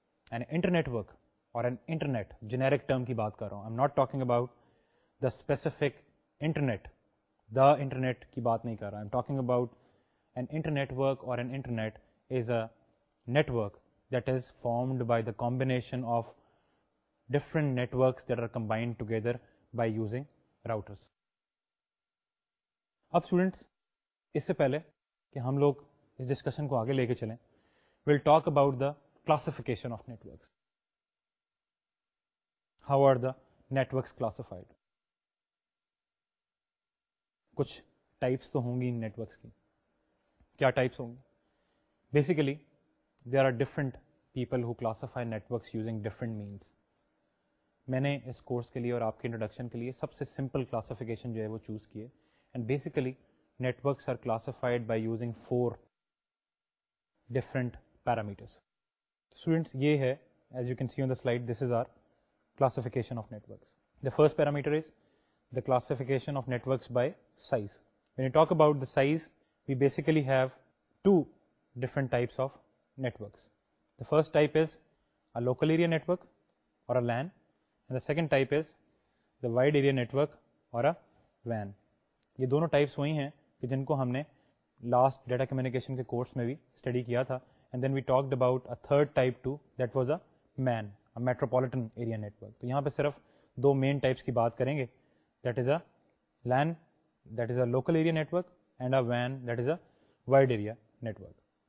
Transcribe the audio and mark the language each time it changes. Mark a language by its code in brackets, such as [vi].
[en] and internetwork اور an internet, [ur] generic term کی بات کر رہا ہوں، [en] I am not talking about the specific internet, [ur] the internet کی بات نہیں کر رہا، [en] I am talking about an internetwork اور an internet is a network that is formed by the combination of different networks that are combined together by using routers. [ur] اب students, اس سے پہلے کہ ہم لوگ اس ڈسکشن کو آگے لے کے چلیں، [en] Will talk about the classification of networks. How are the networks classified? [ur] کچھ ٹائپس تو ہوں گی ان نیٹورکس کی. کیا ٹائپس ہوں گی؟ [en] Basically there are different people who classify networks using different means. [ur] میں نے اس کورس کے لیے اور آپ کے انٹروڈکشن کے لیے سب سے سمپل کلاسیفیکیشن جو ہے وہ چوز کیے. [en] And basically, networks are classified by using four different parameters. Students, [ur] ye hai, [en] as you can see on the slide, this is our classification of networks. The first parameter is the classification of networks by size. When you talk about the size, we basically have two different types of networks. The first type is a local area network or a LAN. And the second type is the wide area network or a WAN. [ur] یہ دونوں types وہی ہیں کہ جن کو ہم نے last data communication کے کورس میں بھی اسٹڈی کیا تھا. [en] And then we talked about a third type too, that was a MAN, a metropolitan area network. [ur] تو یہاں پہ صرف دو مین ٹائپس کی بات کریں گے، [en] That is a lane, that is a local area network, and a when, that is a wide area network.